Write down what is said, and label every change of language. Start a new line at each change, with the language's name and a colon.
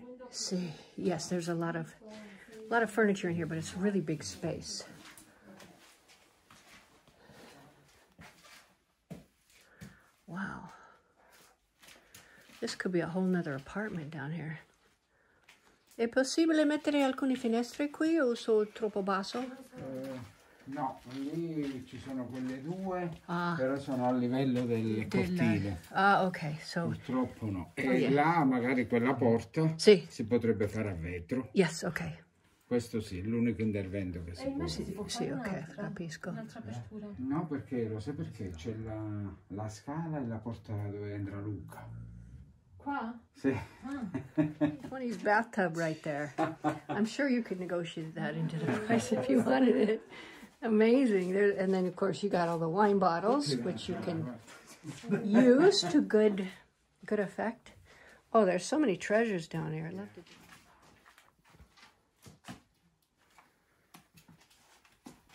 English: See, yes, there's a lot of furniture in here, but it's a really big space. Wow. This could be a whole nother apartment down here.
Italian: È possibile mettere alcune finestre qui o sono troppo basso? No, lì ci sono quelle due, però sono a livello del cortile.
English: Ah, ok. So,
Italian: purtroppo no. E là, magari quella porta, sì, si potrebbe fare a vetro.
English: Yes, ok.
Italian: Questo sì, l'unico intervento che si può fare. Sì, ok, capisco. No, perché, lo sai perché? C'è la scala e la porta dove entra Luca. Qua? Sì.
English: Ah. Funny's bathtub right there. I'm sure you could negotiate that into the price if you wanted it. Amazing. There, and then, of course, you got all the wine bottles, which you can use to good effect. Oh, there's so many treasures down here. I love to do.